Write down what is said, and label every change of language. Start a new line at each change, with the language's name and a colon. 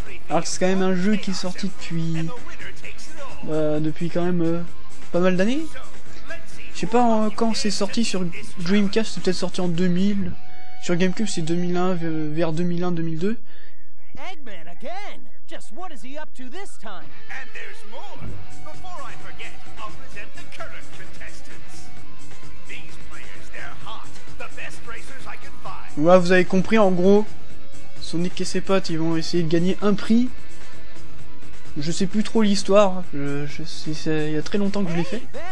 French: Alors que c'est quand même un jeu qui est sorti depuis. Depuis quand même pas mal d'années. Je sais pas quand c'est sorti sur Dreamcast, c'est peut-être sorti en 2000. Sur GameCube, c'est 2001, vers 2001-2002.
English: Eggman, again! Just what is he up to this time? And there's more! Before I forget, I'll present the current contestants. These players, they're hot! The best racers I can find!
French: Ouais, vous avez compris, en gros, Sonic et ses potes, ils vont essayer de gagner un prix. Je sais plus trop l'histoire, il y a très longtemps que je l'ai fait.